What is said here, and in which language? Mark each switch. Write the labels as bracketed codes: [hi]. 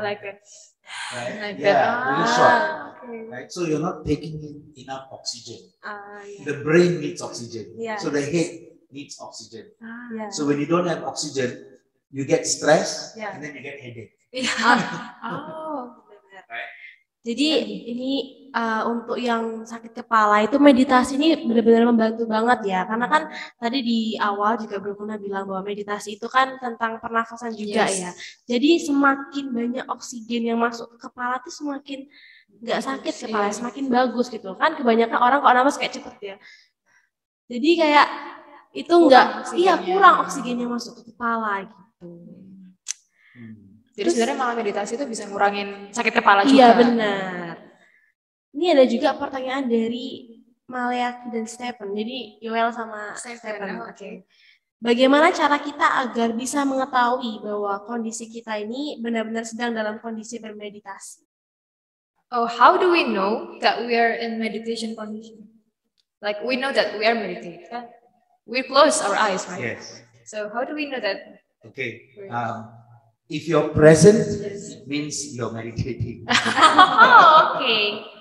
[en] I like that. Right? Like really short. Okay. Right? So you're not taking in enough oxygen. The brain needs oxygen. Yeah. So the head needs oxygen. Yeah. So when you don't have oxygen, you get stress, yeah, and then you get headache. Yeah. Right? [id] Jadi ini untuk yang sakit kepala itu meditasi ini benar-benar membantu banget ya. Karena kan tadi di awal juga Bro Kuna bilang bahwa meditasi itu kan tentang pernafasan juga ya. Jadi semakin banyak oksigen yang masuk ke kepala itu semakin gak sakit kepala, semakin bagus gitu. Kan kebanyakan orang kalau nafas kayak cepet ya. Jadi kayak itu gak, iya kurang oksigennya masuk ke kepala gitu. Jadi terus, sebenarnya malah meditasi itu bisa ngurangin sakit kepala juga. Iya benar. Ini ada juga pertanyaan dari Maliak dan Stephen. Jadi Yoel sama Stephen. Oke. Okay. Bagaimana cara kita agar bisa mengetahui bahwa kondisi kita ini benar-benar sedang dalam kondisi bermeditasi? [en] Oh, how do we know that we are in meditation condition? Like we know that we are meditating. We close our eyes, right? Yes. So how do we know that? Okay. If you're present, it means you're meditating. Oh, okay.